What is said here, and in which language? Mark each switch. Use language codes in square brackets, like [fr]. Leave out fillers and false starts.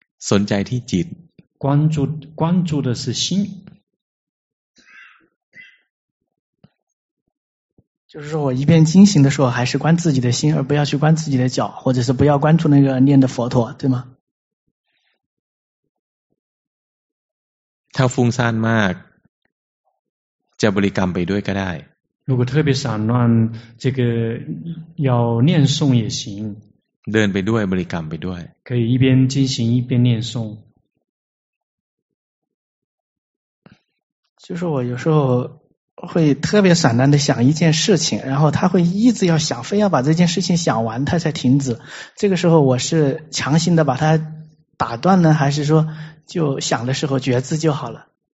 [th] สนใจที่จิต [zh] 关注的是心就是说我一边惊醒的时候还是关自己的心而不要去关自己的脚或者是不要关注那个念的佛陀对吗 [th] ถ้าฟุ้งซ่านมากจะบริกรรมไปด้วยก็ได้ [zh] 如果特别散乱这个要念诵也行 [th] เดินไปด้วยบริกรรมไปด้วย [zh] 可以一边进行一边念诵就是我有时候会特别散乱的想一件事情然后他会一直要想非要把这件事情想完他才停止这个时候我是强行的把它打断呢还是说就想的时候觉知就好了